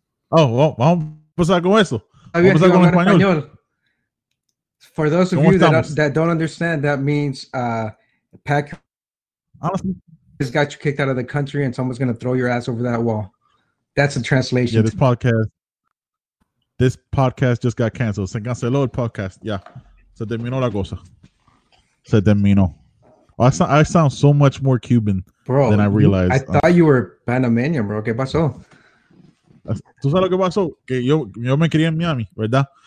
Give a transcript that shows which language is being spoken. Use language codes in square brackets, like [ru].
[en] Oh, well, [es] vamos a empezar con eso. Vamos a hablar español. [en] For those of you that don't understand, that means pack. Honestly. Just got you kicked out of the country and someone's going to throw your ass over that wall. That's a translation. Yeah, this podcast just got canceled. [es] Se canceló el podcast. Yeah. Se terminó la cosa. Se terminó. [en] I sound so much more Cuban, bro, than I realized. I thought you were Panamanian, bro. [es] ¿Qué pasó? ¿Tú sabes lo que pasó? Que yo me crié en Miami, ¿verdad?